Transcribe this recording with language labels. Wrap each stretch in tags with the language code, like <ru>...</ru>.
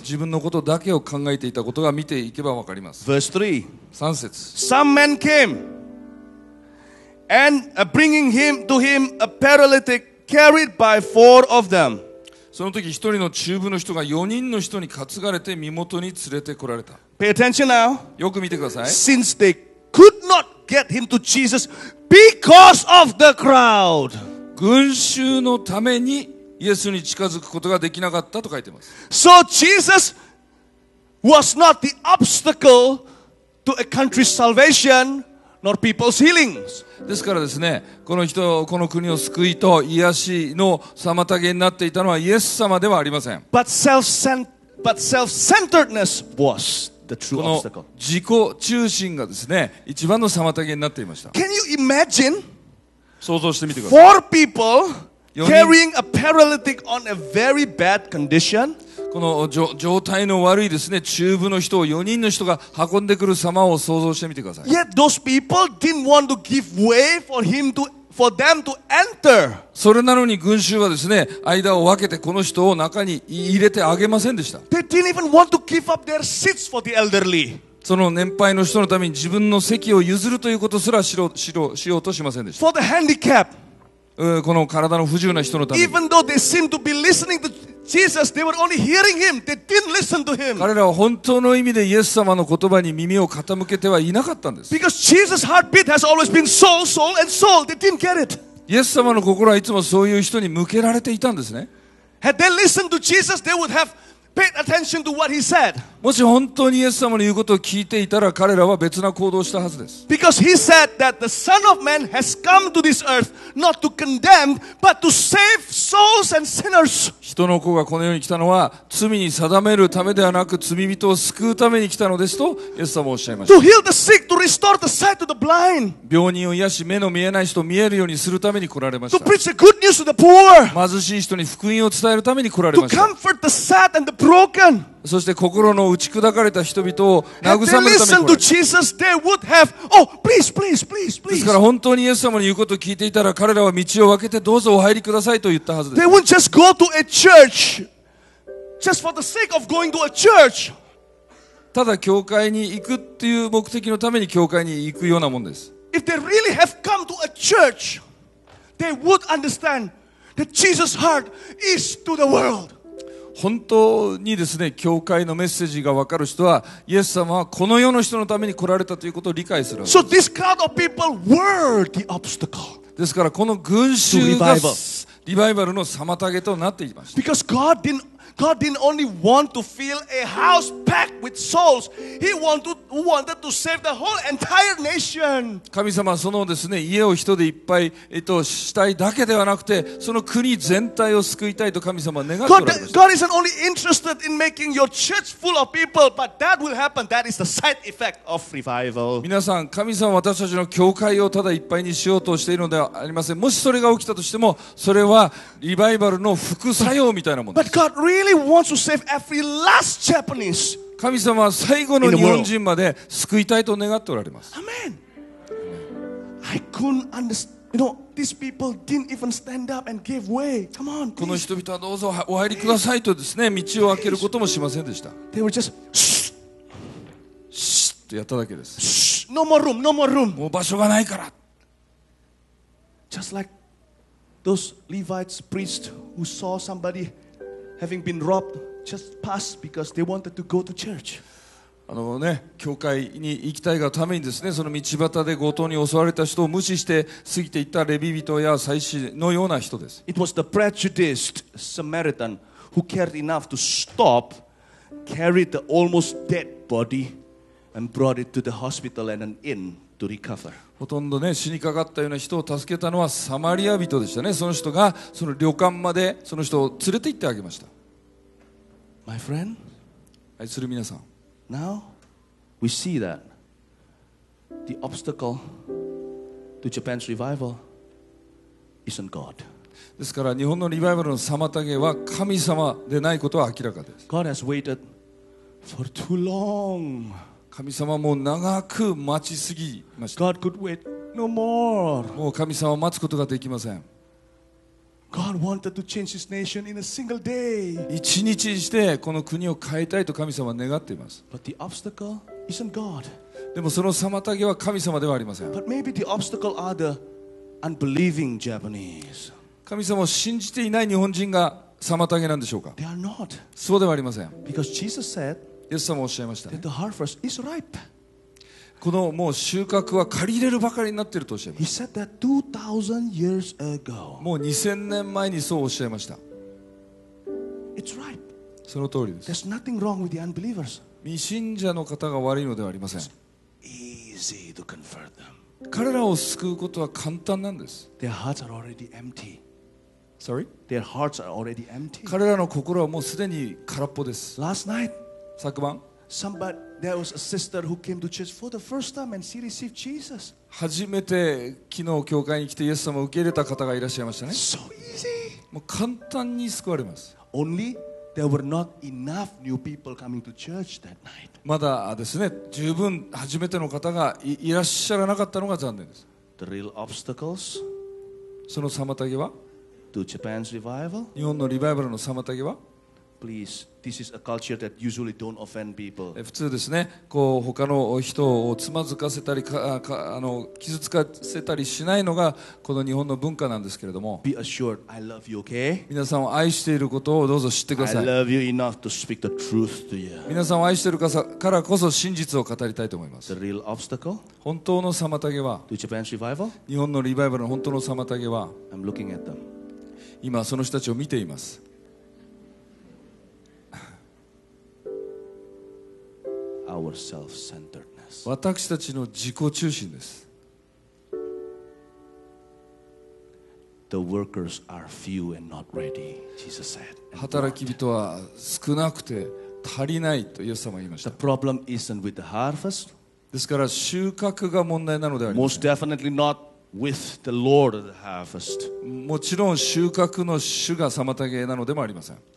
<ja>自分のことだけを考えていたことが見ていけばわかります。</ja> <en>Verse 3.</en> <ja>3節。</ja> <en>Some men came and bringing him to him a paralytic carried by four of them.</en> <ja>その時一人の中部の人が四人の人に担がれて身元に連れてこられた。</ja> <en>Pay attention now.</en> <ja>よく見てください。</ja> <en>Since they could not get him to Jesus. Because of the crowd.</en> <ja>群衆のためにイエスに近づくことができなかったと書いてます。</ja> <en>So Jesus was not the obstacle to a country's salvation, nor people's healings.</en> <ja>ですからですね、この人、この国を救いと癒しの妨げになっていたのはイエス様ではありません。</ja> <en>But self-centeredness was. The true</en> <ja>この自己中心がですね、一番の妨げになっていました。</ja> <en>Can you imagine?</en> <ja>想像してみてください。</ja> <en>Four people carrying a paralytic on a very bad condition.</en> <ja>この状態の悪いですね、中部の人を4人の人が運んでくる様を想像してみてください。</ja> <en>Yet those people didn't want to give way for him to, for them to enter.</en> <ja>それなのに群衆はですね、間を分けてこの人を中に入れてあげませんでした。</ja> <en>Didn't even want to give up their seats for the elderly.</en> <ja>その年配の人のために自分の席を譲るということすらしようとしませんでした。</ja> <en>For the handicap.</en> <ja>この体の不自由な人のために。</ja> <en>Even though they seemed to be listening to Jesus, they were only hearing him. They didn't listen to him.</en> <ja>彼らは本当の意味でイエス様の言葉に耳を傾けてはいなかったんです。</ja> <en>Because Jesus' heartbeat has always been soul, and soul. They didn't get it.</en> <ja>イエス様の心はいつもそういう人に向けられていたんですね。</ja> <en>Had they listened to Jesus, they would have paid attention to what he said.</en> <ja>もし本当にイエス様の言うことを聞いていたら彼らは別な行動をしたはずです。</ja> <en>Because he said that the Son of Man has come to this earth not to condemn but to save souls and sinners.</en> <ja>人の子がこの世に来たのは罪に定めるためではなく罪人を救うために来たのですとイエス様はおっしゃいました。</ja> <en>To heal the sick, to restore the sight to the blind.</en> <ja>病人を癒し目の見えない人を見えるようにするために来られました。</ja> <en>To preach the good news to the poor.</en> <ja>貧しい人に福音を伝えるために来られました。</ja> <en>To comfort the sad and the broken.</en> <ja>そして心の打ち砕かれた人々を慰めるために</ja> <en>Jesus, have, oh, please, please, please, please.</en> <ja>ですから本当にイエス様の言うことを聞いていたら彼らは道を分けてどうぞお入りくださいと言ったはずです。</ja> <en>They wouldn't just go to a church just for the sake of going to a church.</en> <ja>ただ教会に行くっていう目的のために教会に行くようなもんです。</ja> <en>If they really have come to a church they would understand that Jesus' heart is to the world.</en> <ja>本当にですね、教会のメッセージが分かる人は、イエス様はこの世の人のために来られたということを理解するわけです。</ja> <en>So this crowd of people were the obstacle.</en> <ja>ですからこの群衆がリバイバルの妨げとなっていました。</ja> <en>Because God didn't only want to fill a house packed with souls. He wanted to save the whole entire nation.</en> <ja>神様はそのですね、家を人でいっぱい、したいだけではなくて、その国全体を救いたいと神様は願っておられました。</ja> <en>God isn't only interested in making your church full of people, but that will happen. That is the side effect of revival.</en> <ja>皆さん、神様は私たちの教会をただいっぱいにしようとしているのではありません。もしそれが起きたとしても、それはリバイバルの副作用みたいなものです。</ja> <en>But God really wants to save every last Japanese.</en> <ja>神様は最後の日本人まで救いたいと願っておられます。</ja> <en>Amen. I couldn't understand. You know, these people didn't even stand up and give way. Come on.</en> <ja>この人々はどうぞお入りくださいとですね、道を開けることもしませんでした。</ja> <en>They were just</en> <ja>shh. とやっただけです。</ja> <en>No more room. No more room.</en> <ja>もう場所がないから。</ja> <en>Just like those Levites priests who saw somebody. Having been robbed, just passed because they wanted to go to church.</en> <ja>あのね、教会に行きたいがためにですね、その道端で強盗に襲われた人を無視して過ぎていったレビ人や祭司のような人です。</ja> <en>It was the prejudiced Samaritan who cared enough to stop, carried the almost dead body, and brought it to the hospital and an inn to recover.</en> <ja>ほとんどね死にかかったような人を助けたのはサマリア人でしたね。その人がその旅館までその人を連れて行ってあげました。</ja> <en>My friend,</en> <ja>愛する皆さん、</ja> <en>Now we see that the obstacle to Japan's revival isn't God.</en> <ja>ですから日本のリバイバルの妨げは神様でないことは明らかです。</ja> <en>God has waited for too long.</en> <ja>神様もう長く待ちすぎました。</ja> <en>God could wait no more.</en> <ja>もう神様は待つことができません。</ja> <en>God wanted to change his nation in a single day.</en> <ja>一日にしてこの国を変えたいと神様は願っています。</ja> <en>But the obstacle isn't God.</en> <ja>でもその妨げは神様ではありません。</ja> <en>But maybe the obstacle are the unbelieving Japanese.</en> <ja>神様を信じていない日本人が妨げなんでしょうか。</ja> <en>They are not.</en> <ja>そうではありません。</ja> <en>Because Jesus said.</en> <ja>イエス様はおっしゃいましたね、</ja> <en>the harvest is ripe.</en> <ja>このもう収穫は刈り入れるばかりになっているとおっしゃいました。</ja> <en>He said that 2000 years ago.</en> <ja>もう2000年前にそうおっしゃいました。</ja> <en>It's ripe.</en> <ja>その通りです。</ja> <en>There's nothing wrong with the unbelievers.</en> <ja>未信者の方が悪いのではありません。</ja> <en>It's easy to convert them.</en> <ja>彼らを救うことは簡単なんです。</ja> <en>Their hearts are already empty. Sorry? Their hearts are already empty.</en> <ja>彼らの心はもうすでに空っぽです。</ja> <en>Last night</en> <ja>昨晩</ja> <en>Somebody, there was a sister who came to church for the first time and she received Jesus.</en> <ja>初めて昨日教会に来てイエス様を受け入れた方がいらっしゃいましたね。</ja> <en>So easy.</en> <ja>もう簡単に救われます。</ja> <en>Only there were not enough new people coming to church that night.</en> <ja>まだですね、十分初めての方が いらっしゃらなかったのが残念です。</ja> <en>The real obstacles.</en> <ja>その妨げは</ja> <en>To Japan's revival.</en> <ja>日本のリバイバルの妨げは</ja> <en>Please. This is a culture that usually don't offend people.</en> <ja>普通ですね、こう他の人をつまずかせたり、傷つかせたりしないのがこの日本の文化なんですけれども。</ja> <en>Be assured, I love you, okay?</en> <ja>皆さんを愛していることをどうぞ知ってください。</ja> <en>I love you enough to speak the truth to you.</en> <ja>皆さんを愛しているからこそ真実を語りたいと思います。</ja> <en>The real obstacle?</en> <ja>本当の妨げは</ja> <en>To Japan's revival?</en> <ja>日本のリバイバルの本当の妨げは</ja> <en>I'm looking at them.</en> <ja>今その人たちを見ています。</ja> <en>our self-centeredness.</en> <ja>私たちの自己中心です。</ja> <en>The workers are few and not ready, Jesus said.</en> <ja>働き人は少なくて足りないとイエス様は言いました。</ja> <en>The problem isn't with the harvest.</en> <ja>ですから収穫が問題なのではありません。</ja> <en>Most definitely not. With the Lord of the harvest.</en> <ja>もちろん収穫の主が妨げなのでもありません。</ja>